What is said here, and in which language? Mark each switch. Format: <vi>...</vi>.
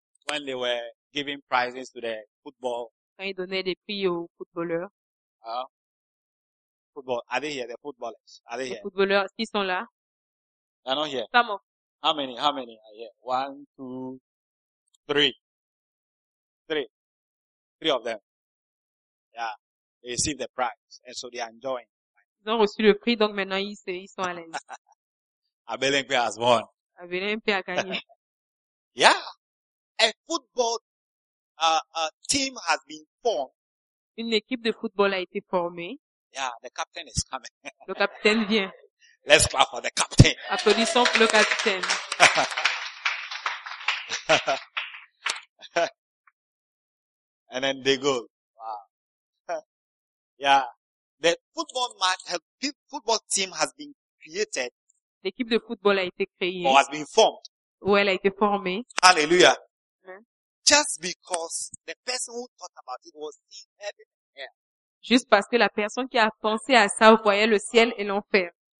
<en>When they were giving prizes to the football.</en> <fr>Quand ils donnaient des prix aux footballeurs.</fr> <en>Football. Are they here? The footballers. Are they here?</en> <fr>Les footballeurs, est-ce qu'ils sont là?</fr> <en>They're not here. Some of. How many are here? 1, 2, 3. Three of them. Yeah. They received the prize. And so they are enjoying.</en> <fr>Ils ont reçu le prix, donc maintenant ils sont à l'aise.</fr> <en>Abelimpe has won.</en> <fr>Abelimpe a gagné.</fr> <en>Yeah. A football, team has been formed.</en> <fr>Une équipe de football a été formée.</fr> <en>Yeah, the captain is coming.</en> <fr>Le capitaine vient.</fr> <en>Let's clap for the captain.</en> <fr>Applaudissons pour le capitaine.</fr> <en>And then they go. Wow. Yeah. The football match, the football team has been created.</en> <fr>L'équipe de football a été créée.</fr> <en>Or has been formed.</en> <fr>Ou elle a été formée.</fr> <en>Hallelujah. Just because the person who thought about it was in heaven and hell.</en> <fr>Juste parce que la personne qui a pensé à ça voyait le ciel et l'enfer.</fr>